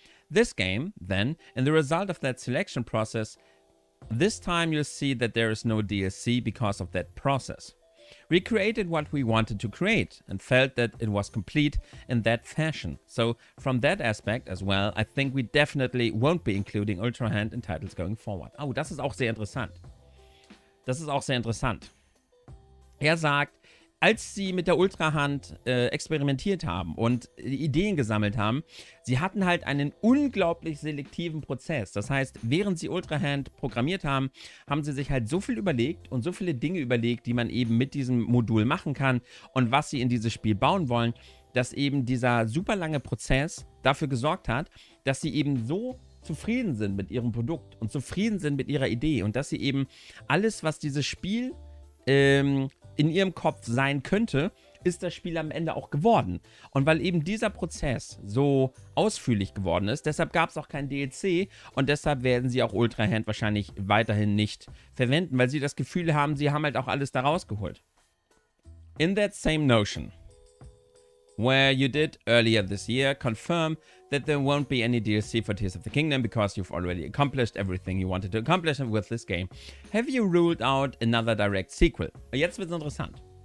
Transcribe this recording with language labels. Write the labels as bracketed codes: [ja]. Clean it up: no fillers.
[en] This game, then, in the result of that selection process, this time you'll see that there is no DLC because of that process. We created what we wanted to create and felt that it was complete in that fashion. So from that aspect as well, I think we definitely won't be including Ultra Hand in titles going forward. [de] Oh, das ist auch sehr interessant. Das ist auch sehr interessant. Sagt, als sie mit der Ultra Hand experimentiert haben und Ideen gesammelt haben, sie hatten halt einen unglaublich selektiven Prozess. Das heißt, während sie Ultra Hand programmiert haben, haben sie sich halt so viel überlegt und so viele Dinge überlegt, die man eben mit diesem Modul machen kann und was sie in dieses Spiel bauen wollen, dass eben dieser super lange Prozess dafür gesorgt hat, dass sie eben so zufrieden sind mit ihrem Produkt und zufrieden sind mit ihrer Idee und dass sie eben alles, was dieses Spiel in ihrem Kopf sein könnte, ist das Spiel am Ende auch geworden. Und weil eben dieser Prozess so ausführlich geworden ist, deshalb gab es auch kein DLC und deshalb werden sie auch Ultra Hand wahrscheinlich weiterhin nicht verwenden, weil sie das Gefühl haben, sie haben halt auch alles da rausgeholt. [en] In that same notion, where you did earlier this year confirm that there won't be any DLC for Tears of the Kingdom because you've already accomplished everything you wanted to accomplish with this game, have you ruled out another direct sequel? [de] Jetzt wird's interessant.